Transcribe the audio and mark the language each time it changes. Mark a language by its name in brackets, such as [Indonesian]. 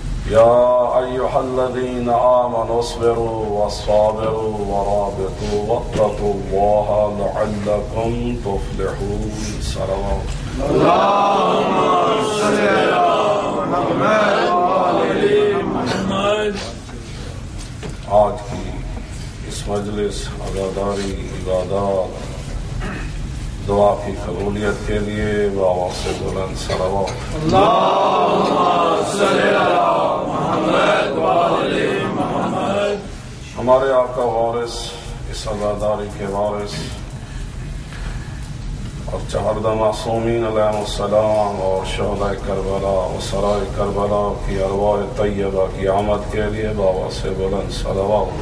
[Arabic] يا أيها الذين آمنوا اصبروا وصابروا ورابطوا واتقوا الله لعلكم تفلحون. سلام. اللهم صل على محمد وعلى آل محمد. [Urdu] آج کی اس مجلس عزاداری عبادات دعا کی قبولیت کے لیے بابا سے بلند سلوات. [Arabic] اللهم صل على محمد وعلى محمد. [Urdu] ہمارے آقا وارث اس عزاداری کے وارث اور چہردہ معصومین علیہ السلام اور شہداء کربلا اور سرائے کربلا کی ارواح طیبہ کی آمد کے لیے بابا سے بلند صلوات.